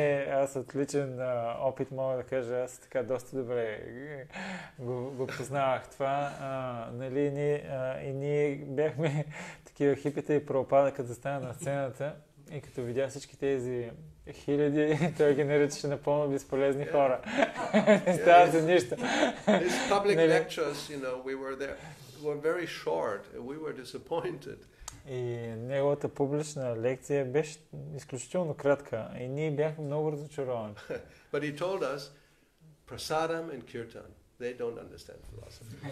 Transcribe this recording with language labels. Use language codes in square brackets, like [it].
[bg] Аз отличен опит мога да кажа, аз така доста добре го познавах това. Нали, и ние бяхме такива хипите и пропада, като стана на сцената и като видя всички тези хиляди, той ги наричаше напълно безполезни хора. Не става за нищо. [en] These public lectures, you know, we were there, were very short, we were disappointed. [bg] И неговата публична лекция беше изключително кратка и ние бяхме много разочаровани. [en] But he told us, prasadam and kirtan, they don't understand philosophy.